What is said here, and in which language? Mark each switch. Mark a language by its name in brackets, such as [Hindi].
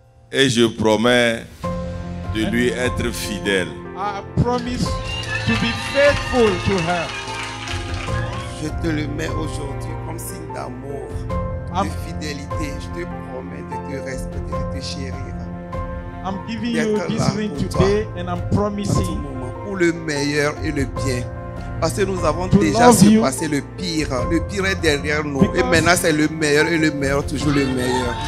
[French] Et je promets de lui être fidèle. [English] I promise to be faithful to her. [French] Je te le mets aujourd'hui comme signe d'amour, de fidélité. Je te promets de te respecter, de te chérir. [English] I'm giving you this ring today and I'm promising [French] pour le meilleur et le bien. Parce que nous avons déjà surpassé le pire. Le pire est derrière nous. Et maintenant c'est le meilleur et le meilleur, toujours le meilleur.